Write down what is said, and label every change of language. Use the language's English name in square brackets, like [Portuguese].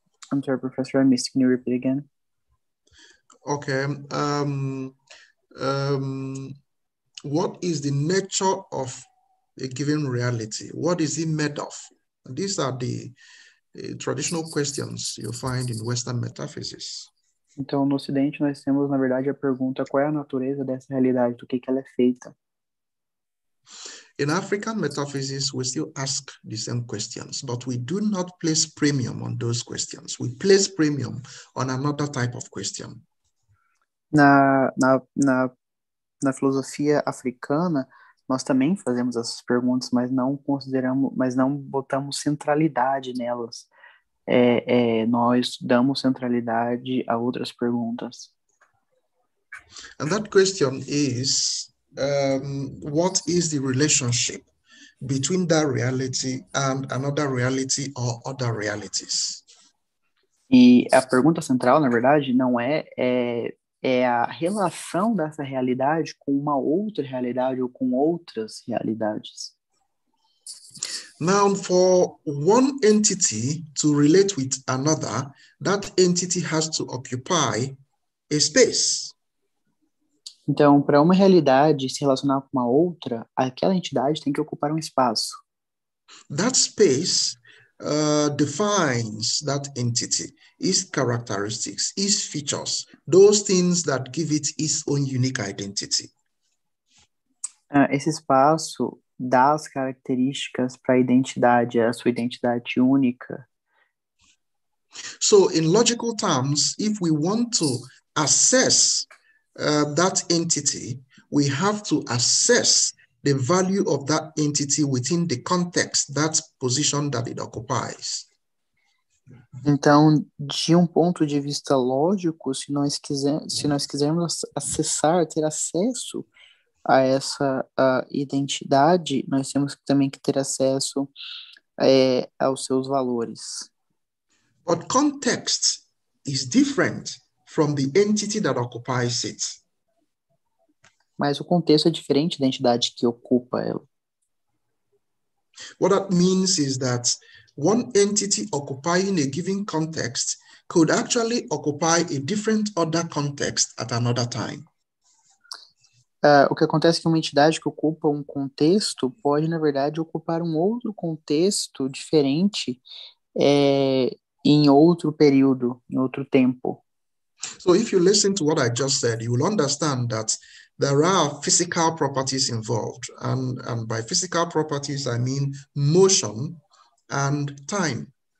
[English] I'm sorry, Professor, I'm missing, can you repeat again? Okay. What is the nature of a given reality? What is it made of? These are the traditional questions you find in Western metaphysics. [Portuguese] Então, no Ocidente, nós temos, na verdade, a pergunta qual é a natureza dessa realidade, do que ela é feita. [English] In African metaphysics, we still ask the same questions, but we do not place premium on those questions. We place premium on another type of question. [Portuguese] Na filosofia africana, nós também fazemos essas perguntas, mas não consideramos, mas não botamos centralidade nelas. Nós damos centralidade a outras perguntas. [English] And that question is, what is the relationship between that reality and another reality or other realities? [Portuguese] E a pergunta central, na verdade, não é, é a relação dessa realidade com uma outra realidade ou com outras realidades. [English] Now, for one entity to relate with another, that entity has to occupy a space. [Portuguese] Então, para uma realidade se relacionar com uma outra, aquela entidade tem que ocupar um espaço. [English] That space defines that entity, its characteristics, its features, those things that give it its own unique identity. [Portuguese] Esse espaço dá as características para a identidade, a sua identidade única. [English] So, in logical terms, if we want to assess that entity, we have to assess the value of that entity within the context, that position that it occupies. [Portuguese] Então, de ponto de vista lógico, se nós quisermos acessar, ter acesso a essa identidade, nós temos também que ter acesso aos seus valores. [English] But context is different from the entity that occupies it. [Portuguese] Mas o contexto é diferente da entidade que ocupa ela. [English] What that means is that one entity occupying a given context could actually occupy a different other context at another time. [Portuguese] O que acontece é que uma entidade que ocupa um contexto pode, na verdade, ocupar um outro contexto diferente em outro período, em outro tempo. [English] So if you listen to what I just said, you will understand that there are physical properties involved. And by physical properties, I mean motion and time.